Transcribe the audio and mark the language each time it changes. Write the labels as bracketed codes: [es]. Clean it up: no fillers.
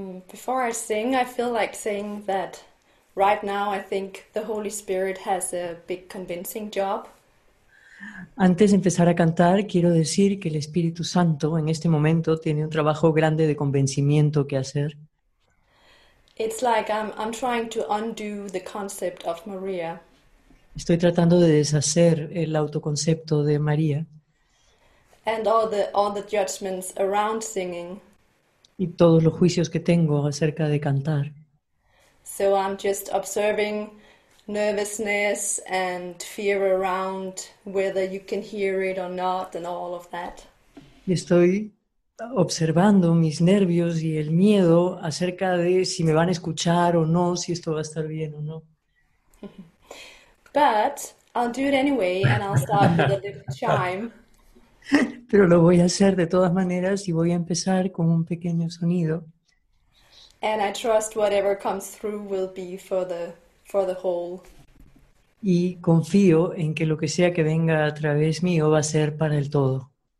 [en] Before I sing, I feel like saying that. Right now, I think the Holy Spirit has a big convincing job. [es] Antes de empezar a cantar, quiero decir que el Espíritu Santo en este momento tiene un trabajo grande de convencimiento que hacer. [en] It's like I'm trying to undo the concept of Maria. [es] Estoy tratando de deshacer el autoconcepto de María. [en] And all the judgments around singing. [es] Y todos los juicios que tengo acerca de cantar. [en] So I'm just observing nervousness and fear around whether you can hear it or not and all of that. [es] Estoy observando mis nervios y el miedo acerca de si me van a escuchar o no, si esto va a estar bien o no. [en] But I'll do it anyway and I'll start with a little chime. [es] Pero lo voy a hacer de todas maneras y voy a empezar con un pequeño sonido. [en] And I trust whatever comes through will be for the whole. [es] Y confío en que lo que sea que venga a través mío va a ser para el todo.